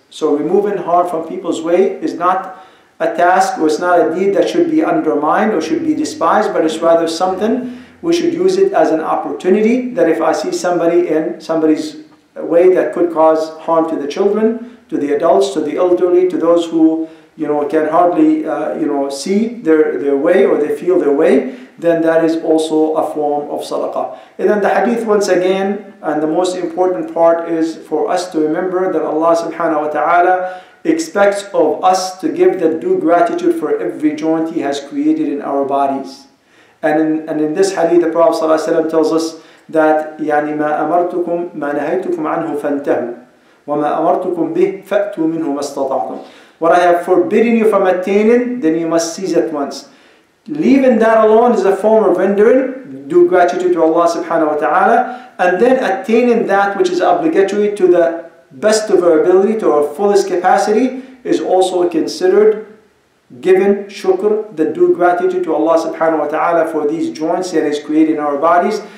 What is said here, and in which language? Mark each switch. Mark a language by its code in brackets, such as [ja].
[en] So removing harm from people's way is not a task, or it's not a deed that should be undermined or should be despised, but it's rather something we should use it as an opportunity, that if I see somebody in somebody's way that could cause harm to the children, to the adults, to the elderly, to those who can hardly see their way, or they feel their way, then that is also a form of sadaqah. And then the hadith once again, and the most important part is for us to remember that Allah subhanahu wa ta'ala expects of us to give the due gratitude for every joint He has created in our bodies. And in this hadith, the Prophet sallallahu alaihi wasallam tells us that [ar] يعني ما أمرتكم ما نهيتكم عنه فانتهوا وما أمرتكم به فأتوا منه ما استطعتم. [en] What I have forbidden you from attaining, then you must seize at once. Leaving that alone is a form of rendering due gratitude to Allah subhanahu wa ta'ala, and then attaining that which is obligatory to the best of our ability, to our fullest capacity, is also considered giving shukr, the due gratitude to Allah subhanahu wa ta'ala for these joints that is created in our bodies.